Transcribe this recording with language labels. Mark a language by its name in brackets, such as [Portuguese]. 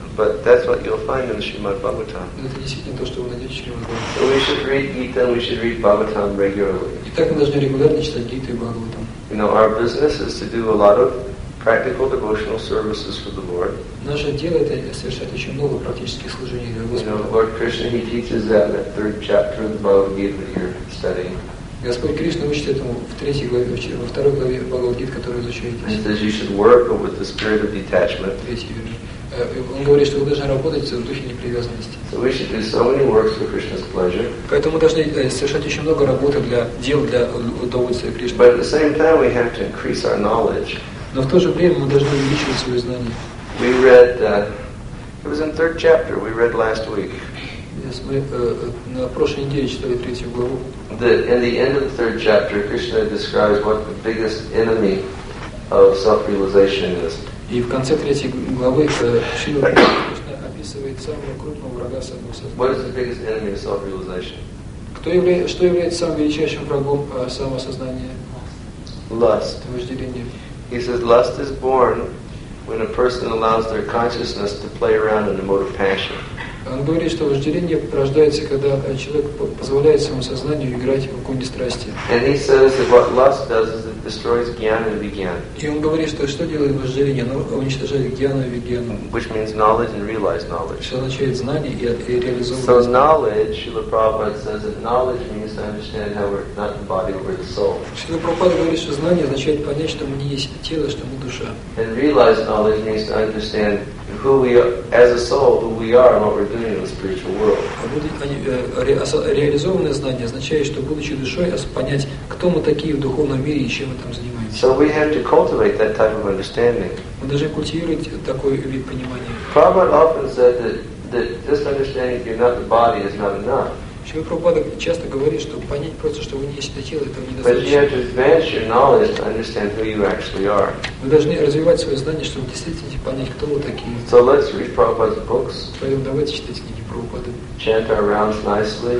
[English] But that's what you'll find in Srimad Bhagavatam. [Russian] Но это действительно то, что вы найдете в Шримад Бхагаватам. [English] So we should read Gita, we should read Bhagavatam regularly. [Russian] Итак, мы должны регулярно читать Гиту и Бхагаватам. [English] You know, our business is to do a lot of practical devotional services for the Lord. [Russian] Наше дело это совершать еще много практических служений для Господа. [English] You know, Lord Krishna, He teaches that in the 3rd chapter of the Bhagavad Gita that you're studying. [Russian] Господь Кришна учит этому в 3-й главе, во 2-й главе Бхагавад-гиты, которую изучаете. [English] He says you should work with the spirit of detachment. [Russian] Он говорит, что вы должны работать в духе непривязанности. [English] So we should do so many works for Krishna's pleasure. [Russian] Поэтому мы должны совершать еще много работы для дел для удовольствия Кришны. [English] But at the same time we have to increase our knowledge. [Russian] Но в то же время мы должны увеличивать свои знания. [English] We read it was in 3rd chapter we read last week. [Russian] Yes, мы на прошлой неделе читали 3-ю главу. [English] In the end of the 3rd chapter, Krishna describes what the biggest enemy of self-realization is. [Russian] И в конце 3-й главы Шрила Кришна описывает самого крупного врага самосознания. [English] What is the biggest enemy of self-realization? [Russian] Что является самым величайшим врагом самосознания? [English] Lust. [Russian] Вожделение. [English] He says lust is born when a person allows their consciousness to play around in the mode of passion. [Russian] Он говорит, что вожделение рождается, когда человек позволяет своему сознанию играть в кунди страсти. И он говорит, что что делает вожделение? Оно уничтожает гьяну и вигьяну. [English] Which means knowledge and realized knowledge. [Russian] Что означает знание и реализованное [English] знание. So knowledge, Srila Prabhupada says that knowledge means to understand how we're not the body, we're the soul. [Russian] Srila Prabhupada говорит, что знание означает понять, что мы не есть тело, что мы душа. [English] And realized knowledge means to understand who we are, as a soul, who we are and what we're doing in the spiritual world. [Russian] Реализованное знание означает, что будучи душой, понять, кто мы такие в духовном мире и чем мы там занимаемся. [English] So we have to cultivate that type of understanding. [Russian] Мы должны культивировать такой вид понимания. [English] Prabhupada often said that just understanding you're not the body is not enough. [Russian] Шрила Прабхупада часто говорит, что понять просто, что вы не есть это тело, этого недостаточно. Вы должны развивать свое знание, чтобы действительно понять, кто вы такие. [English] So let's read Prabhupada's books. [Russian] Поэтому давайте читать книги Прабхупады. [English] Chant our rounds nicely.